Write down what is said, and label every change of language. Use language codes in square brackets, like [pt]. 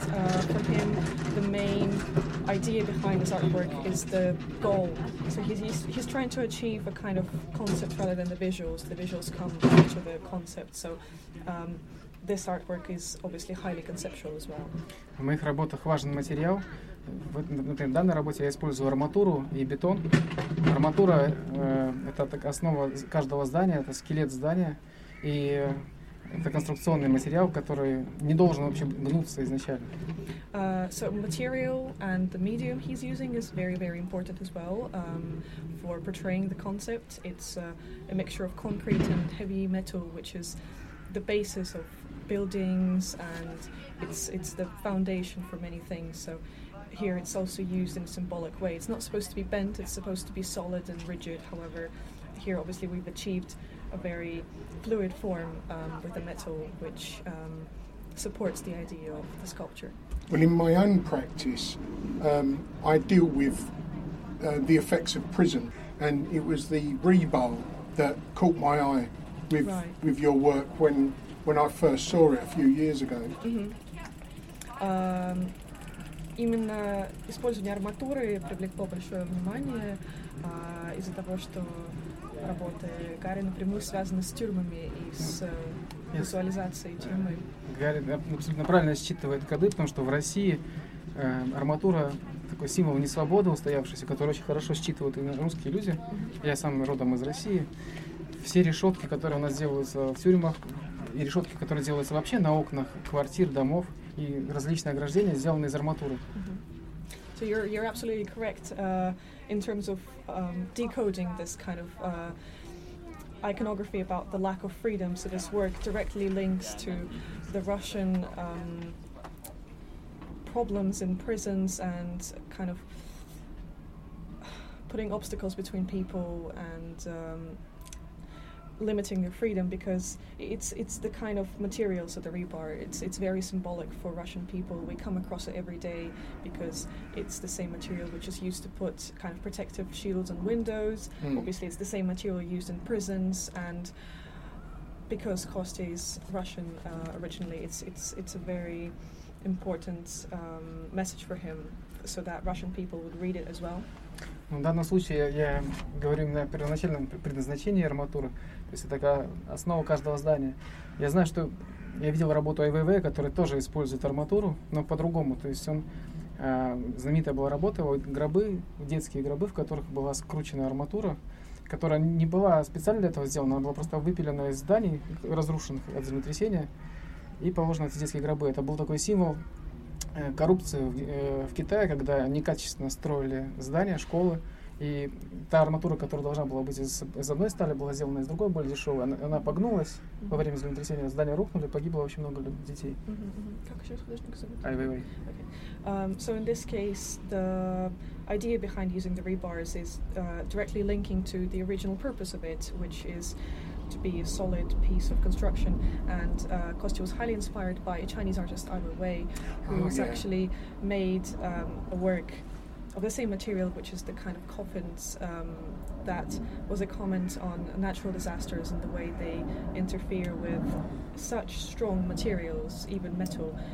[en] For him, the main idea behind his artwork is the goal. So he's trying to achieve a kind of concept rather than the visuals. The visuals come to the concept. So this artwork is obviously highly conceptual as well. [ru] В моих работах важен материал. В данной работе я использую арматуру и бетон. Арматура это так основа каждого здания, это скелет здания и это конструкционный материал, который не должен вообще гнуться изначально. [en] So material and the medium he's using is very, very important as well for portraying the concept. It's a mixture of concrete and heavy metal, which is the basis of buildings and it's the foundation for many things. So here it's also used in a symbolic way. It's not supposed to be bent, it's supposed to be solid and rigid. However, here obviously we've achieved a very fluid form with a metal which supports the idea of the sculpture. Well, in my own practice, I deal with the effects of prison, and it was the rebar that caught my eye with right. with your work when I first saw it a few years ago. [ru] Именно использование арматуры привлекло большое внимание из-за того, что работы Гарри напрямую связаны с тюрьмами и с визуализацией тюрьмы. Гарри абсолютно правильно считывает коды, потому что в России арматура — такой символ несвободы устоявшийся, который очень хорошо считывают и русские люди. Я сам родом из России. Все решетки, которые у нас делаются в тюрьмах, и решетки, которые делаются вообще на окнах квартир, домов, и различные ограждения сделаны из арматуры. [en] So you're absolutely correct in terms of decoding this kind of iconography about the lack of freedom. So this work directly links to the Russian problems in prisons and kind of putting obstacles between people and limiting your freedom, because it's the kind of materials of the rebar. It's very symbolic for Russian people. We come across it every day because it's the same material which is used to put kind of protective shields on windows. Mm. Obviously, it's the same material used in prisons, and because Kostias is Russian originally, it's a very important message for him, so that Russian people would read it as well. [ru] В данном случае я говорю именно о первоначальном предназначении арматуры, то есть это такая основа каждого здания. Я знаю, что я видел работу Ай Вейвея, который тоже использует арматуру, но по-другому. То есть он знаменитая была работа, вот гробы, детские гробы, в которых была скручена арматура, которая не была специально для этого сделана, она была просто выпилена из зданий, разрушенных от землетрясения, и положены эти детские гробы. Это был такой символ коррупции в Китае, когда некачественно строили здания, школы, и та арматура, которая должна была быть из одной стали, была сделана из другой, более дешевой. Она погнулась mm-hmm. во время землетрясения, здания рухнули, погибло очень много детей. Mm-hmm. Mm-hmm. Как сейчас художник зовут? Ай-вэй-вэй. [en] Okay. So in this case, the idea behind using the rebars is directly linking to the original purpose of it, which is to be a solid piece of construction. And Kosti was highly inspired by a Chinese artist, Ai Weiwei, who has actually made a work of the same material, which is the kind of coffins that was a comment on natural disasters and the way they interfere with such strong materials, even metal.